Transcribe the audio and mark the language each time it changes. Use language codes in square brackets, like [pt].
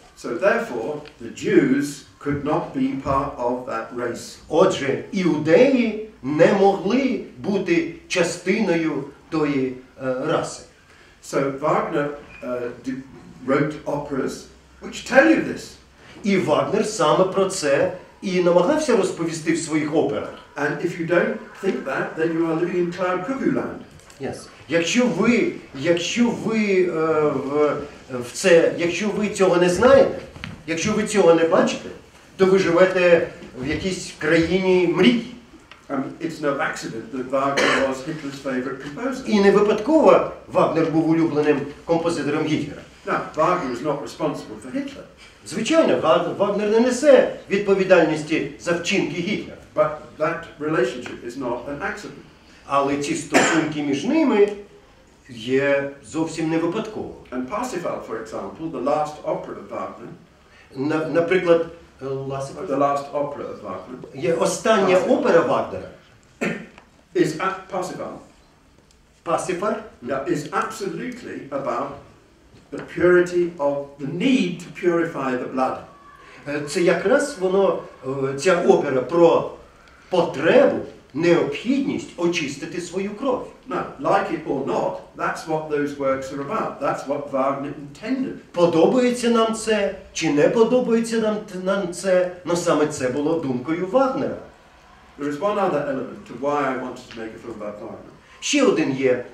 [en] So therefore, the Jews could not be part of that race. [uk] Отже, іудеї не могли бути частиною тої раси. [en] So Wagner wrote operas which tell you this. [uk] І Вагнер саме про це і намагався розповісти в своїх операх. [en] And if you don't think that, then you are living in cloud cuckoo land. Yes. [uk] Якщо ви цього не бачите, то ви живете в якійсь країні мрій. [en] It's no accident that Wagner was Hitler's favorite composer. [uk] І не випадково Вагнер був улюбленим композитором Гітлера. [en] Now, Wagner is not responsible for Hitler. [uk] Звичайно, Вагнер не несе відповідальності за вчинки Гітлера. [en] But that relationship is not an accident. [uk] Але ці стосунки між ними є зовсім не випадково. [en] And Parsifal, for example, the last opera of Wagner. [uk] Наприклад, [en] the last opera of Wagner. [uk] Є остання опера Вагнера. [en] Is at Parsifal. Parsifal? Yeah, is absolutely about the purity of the need to purify the blood. [uk] Це якраз воно, ця опера про потребу, необхідність очистити свою кров. [en] Now, like it or not, that's what those works are about. That's what Wagner intended. [uk] Подобається нам це, чи не подобається нам це, но саме це було думкою Вагнера. [en] There is one other element to why I wanted to make a film about Wagner.